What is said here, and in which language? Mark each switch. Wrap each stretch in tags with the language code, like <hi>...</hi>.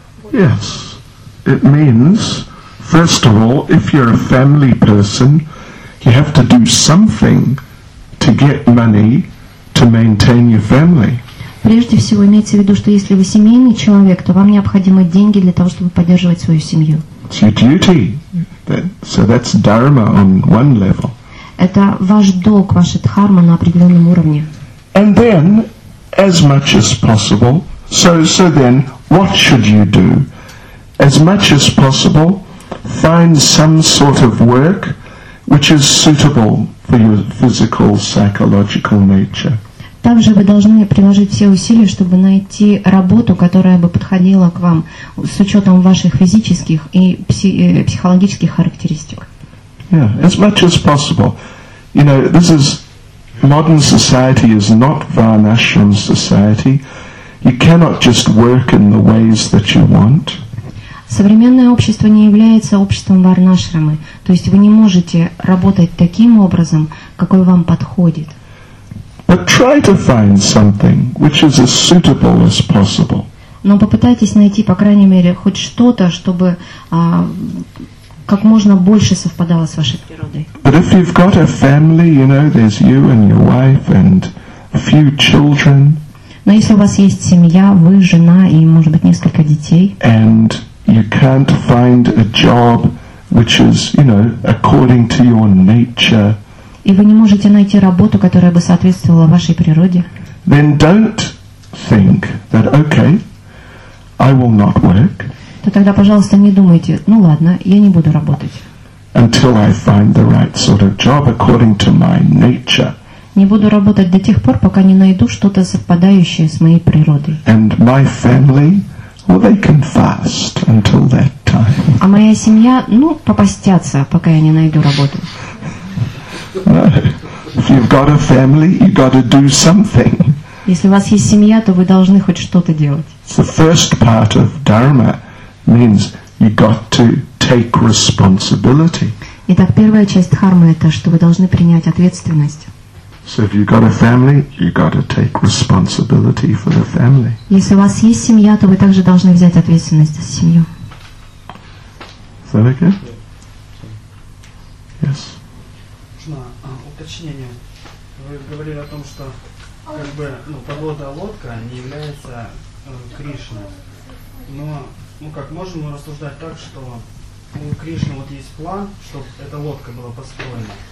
<en>Yes. It means, first of all, if you're a family person, you have to do something to get money to maintain your family.</en> <ru>Прежде всего, имеется в виду, что если вы семейный человек, то вам необходимы деньги для того, чтобы поддерживать свою семью.</ru> <en>It's your duty. So that's dharma on one level.</en> <ru>Это ваш долг, ваша дхарма на определенном уровне.</ru> <en>And then, as much as possible, so then, what should you do? As much as possible, find some sort of work which is suitable for your physical, psychological nature.</en> <ru>Также вы должны приложить все усилия, чтобы найти работу, которая бы подходила к вам с учетом ваших физических и психологических характеристик.</ru> <en>Yeah, as much as possible. You know, this is modern society is not Varnashram society. You cannot just work in the ways that you want.</en> <ru>Современное общество не является обществом Варнашрамы. То есть вы не можете работать таким образом, какой вам подходит.</ru> <en>But try to find something which is as suitable as possible.</en> <ru>Но попытайтесь найти, по крайней мере, хоть что-то, чтобы как можно больше совпадало с вашей природой.</ru> <en>But if you've got a family, you know, there's you and your wife and a few children.</en> <ru>Но если у вас есть семья, вы жена и, может быть, несколько детей.</ru> <en>And you can't find a job which is, you know, according to your nature.</en> <ru>И вы не можете найти работу, которая бы соответствовала вашей природе.</ru> <en>Then don't think that okay, I will not work.</en> <ru>То тогда, пожалуйста, не думайте, ну ладно, я не буду работать. Не буду работать до тех пор, пока не найду что-то совпадающее с моей природой. А моя семья, ну, попостятся, пока я не найду работу. Если у вас есть семья, то вы должны хоть что-то делать.</ru> <en>The first part of dharma means you got to take responsibility.</en> <ru>Итак, первая часть дхармы это, что вы должны принять ответственность.</ru> <en>So if you got a family, you got to take responsibility for the family.</en> <ru>Если у вас есть семья, то вы также должны взять ответственность за семью.</ru> <en>Is that okay? Yes.</en> <ru>Нужно уточнение. Вы говорили о том, что как бы подводная лодка не является Кришной, но как можем мы рассуждать так, что у Кришны вот есть план, чтобы эта лодка была построена.</ru>